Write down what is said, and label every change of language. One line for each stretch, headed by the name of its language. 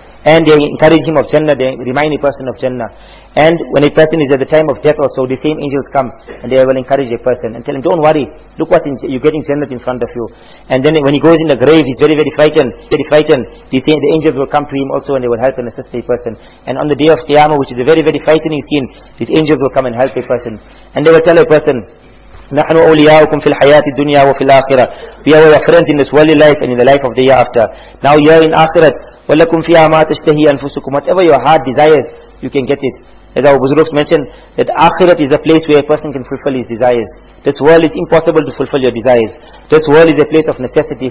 English: And they encourage him of Jannah. They remind a person of Jannah. And when a person is at the time of death also, the same angels come and they will encourage a person and tell him, don't worry, look what you're getting Jannah in front of you. And then when he goes in the grave, he's very, very frightened. The angels will come to him also and they will help and assist a person. And on the day of Qiyamah, which is a very, very frightening scene, these angels will come and help a person. And they will tell a person,
Arabic: نحن أولياؤكم في الحياة الدنيا وفي الآخرة.
English: We are your friends in this worldly life and in the life of the year after. Now you are in Akhirat.
Arabic: وَلَكُمْ فِيهَا مَا تَشْتَهِي أَنفُسُكُمْ.
English: Whatever your heart desires, you can get it. As our Buzurgs mentioned, that Akhirat is a place where a person can fulfill his desires. This world is impossible to fulfill your desires. This world is a place of necessity.